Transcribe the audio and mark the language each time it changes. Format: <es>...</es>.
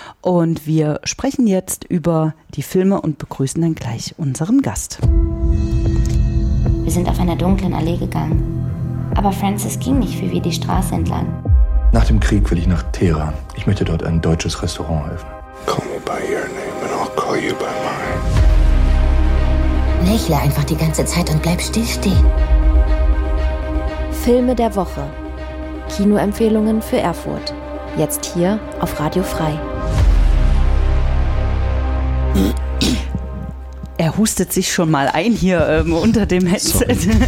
<de>Und wir sprechen jetzt über die Filme und begrüßen dann gleich unseren Gast. Wir sind auf einer dunklen Allee gegangen, aber Francis ging nicht für wir die Straße entlang. Nach dem Krieg will ich nach Teheran. Ich möchte dort ein deutsches Restaurant eröffnen.</de> <en>Call me by your name and I'll call you by mine.</en> <de>Lächle einfach die ganze Zeit und bleib stillstehen. Filme der Woche. Kinoempfehlungen für Erfurt. Jetzt hier auf Radio Frei. Er hustet sich schon mal ein hier unter dem Headset.</de>